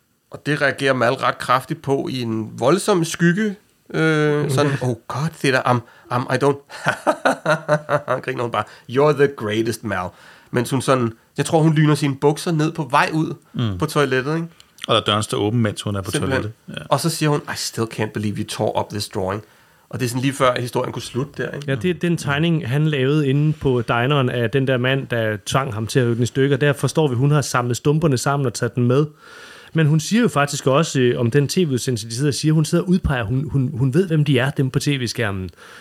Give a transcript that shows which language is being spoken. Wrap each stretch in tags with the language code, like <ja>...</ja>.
<da>Og det reagerer Mal ret kraftigt på i en voldsom skygge. Sådan,</da> <en>oh god,</en> <da>det der,</da> <en>I don't...</en> <da>Han griner hun bare,</da> <en>you're the greatest,</en> <da>Mal. Mens hun sådan... Jeg tror, hun lyner sine bukser ned på vej ud på toilettet, ikke? Og der døren står åben, mens hun er på toilettet. Ja. Og så siger hun,</da> <en>I still can't believe you tore up this drawing.</en> <da>Og det er sådan lige før, historien kunne slutte der, ikke? Ja, det er den tegning, han lavede inde på dineren af den der mand, der tvang ham til at rykke den i stykker. Der forstår vi, hun har samlet stumperne sammen og taget den med. Men hun siger jo faktisk også, om den tv-udsendelse, de sidder og siger, hun sidder og udpeger, hun ved, hvem de er, dem på tv-skærmen.</da>